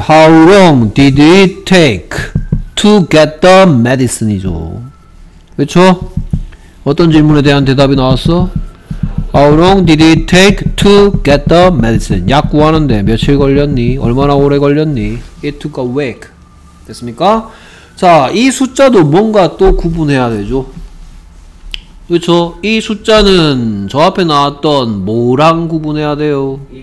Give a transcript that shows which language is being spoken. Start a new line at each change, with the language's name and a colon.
English: How long did it take to get the medicine이죠?
Korean: 그렇죠? 어떤 질문에 대한 대답이 나왔어?
English: How long did it take to get the medicine?
Korean: 약 구하는데 며칠 걸렸니? 얼마나 오래 걸렸니?
English: It took a week.
Korean: 됐습니까? 자, 이 숫자도 뭔가 또 구분해야 되죠. 그렇죠? 이 숫자는 저 앞에 나왔던 뭐랑 구분해야 돼요?